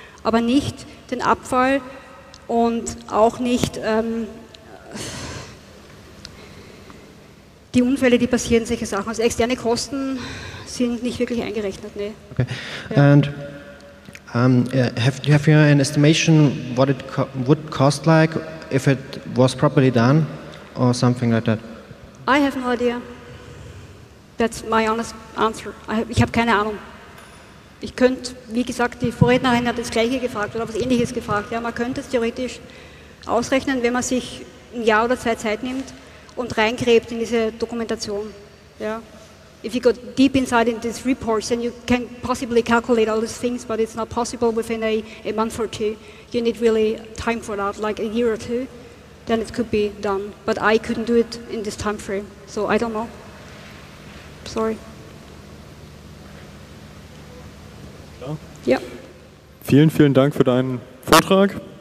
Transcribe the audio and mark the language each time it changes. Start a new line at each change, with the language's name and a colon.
German: Aber nicht den Abfall und auch nicht die Unfälle, die passieren, solche Sachen. Also externe Kosten sind nicht wirklich eingerechnet. Nee. Okay. Ja. And
English: Have you an estimation what it would cost like if it was properly done or something like that? I have no idea. That's my honest answer.
German: Ich habe keine Ahnung. Ich könnte, wie gesagt, die Vorrednerin hat das Gleiche gefragt oder was Ähnliches gefragt. Ja, man könnte es theoretisch ausrechnen, wenn man sich ein Jahr oder zwei Zeit nimmt und reingräbt in diese Dokumentation. Ja.
English: If you go deep inside in these reports, then you can possibly calculate all these things, but it's not possible within a month or two. You need really time for that, like a year or two, then it could be done. But I couldn't do it in this time frame, so I don't know. Sorry.
German: Ja. Vielen, vielen Dank für deinen Vortrag.